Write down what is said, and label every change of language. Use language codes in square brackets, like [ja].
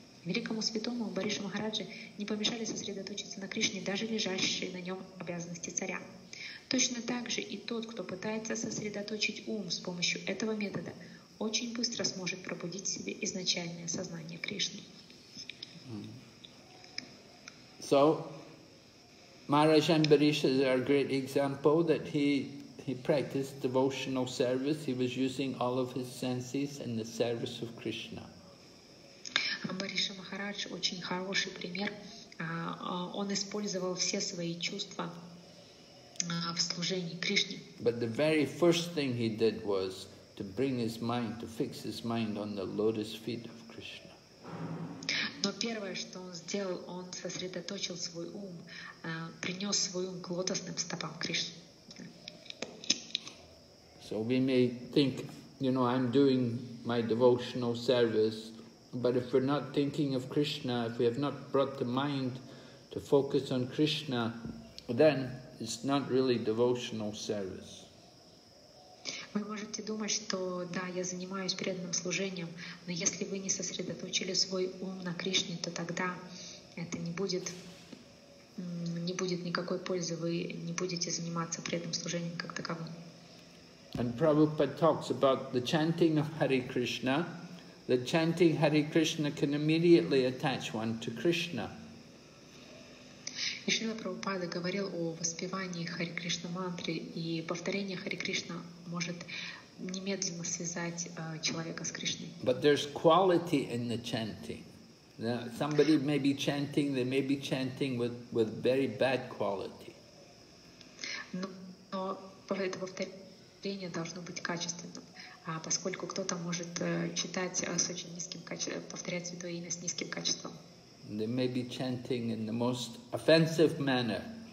[ru] Великому святому Бариша Махараджи не помешали сосредоточиться на Кришне даже лежащие на нем обязанности царя. Точно так же и тот, кто пытается сосредоточить ум с помощью этого метода, очень быстро сможет пробудить в себе изначальное сознание Кришны. [en] So, Maharaj and Barisha is our great example that He practiced devotional service. He was using all of his senses in the service of Krishna. [ru] Амбариша Махарадж очень хороший пример. Он использовал все свои чувства в служении Кришне. [en] But the very first thing he did was to bring his mind, to fix his mind on the lotus feet of Krishna. [ru] Но первое, что он сделал, он сосредоточил свой ум, принес свой ум к лотосным стопам Кришны. [en] So we may think, you know, I'm doing my devotional service, but if we're not thinking of Krishna, if we have not brought the mind to focus on Krishna, then it's not really devotional service. [ru] Вы можете думать, что да, я занимаюсь преданным служением, но если вы не сосредоточили свой ум на Кришне, то тогда это не будет никакой пользы, вы не будете заниматься преданным служением как таковым. [en] And Prabhupada talks about the chanting of Hare Krishna. The chanting Hare Krishna can immediately attach one to Krishna. [ru] И Шрила Прабхупада говорил о воспевании Хари Кришна мантры, и повторение Хари Кришна может немедленно связать человека с Кришной. [en] But there's quality in the chanting. Now, somebody may be chanting, they may be chanting with very bad quality. [ru] Но это повторение должно быть качественным, поскольку кто-то может читать с очень низким качеством, повторять святое имя с низким качеством. [en] They may be chanting in the most offensive manner.